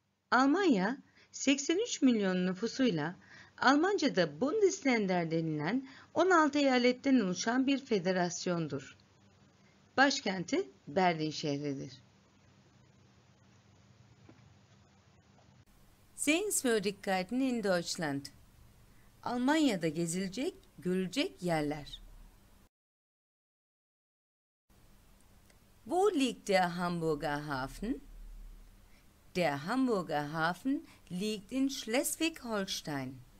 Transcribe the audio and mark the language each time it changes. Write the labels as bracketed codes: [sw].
[tr] Almanya, 83 milyon nüfusuyla Almanca'da Bundesländer denilen 16 eyaletten oluşan bir federasyondur. Başkenti Berlin şehridir. [de] Sehenswürdigkeiten in Deutschland. [tr] Almanya'da gezilecek, görülecek yerler. [de] Wo liegt der Hamburger Hafen? Der Hamburger Hafen liegt in Schleswig-Holstein.